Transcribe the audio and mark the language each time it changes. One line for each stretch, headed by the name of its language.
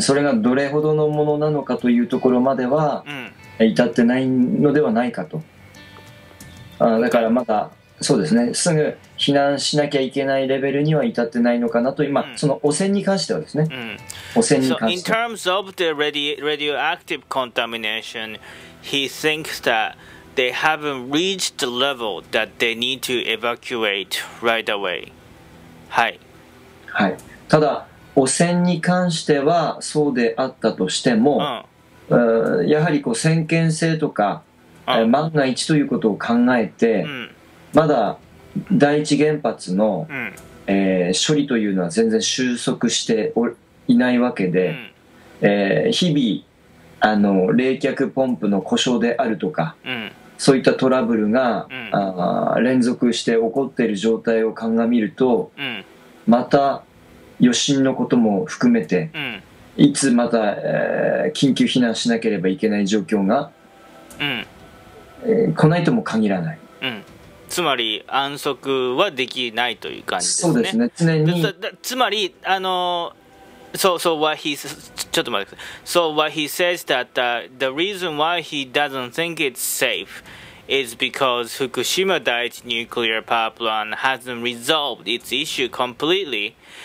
Japanese: それがどれほどのものなのかというところまでは、うん、至ってないのではないかと。あ、だからまだそうですね、すぐ避難しなきゃいけないレベルには至ってないのかなと今、うん、その汚染に関してはですね、うん、汚染に関しては
English: So in terms of the radioactive contamination, he thinks that they haven't reached the level that they need to evacuate right away.
Japanese: はい、はい、ただ汚染に関してはそうであったとしても、うん、やはりこう先見性とか、うん、万が一ということを考えて、うん、まだ第一原発の、うん、処理というのは全然収束していないわけで、うん、日々冷却ポンプの故障であるとか、うん、そういったトラブルが、うん、連続して起こっている状態を鑑みると、うん、また余震のことも含めて、うん、いつまた、緊急避難しなければいけない状況が、うん、来ないとも限らない、うん、つまり安息はできないという感じですね。そうですね、常に。つまり
English: What he says that the reason why he doesn't think it's safe is because Fukushima Daiichi nuclear power plant hasn't resolved its issue completely.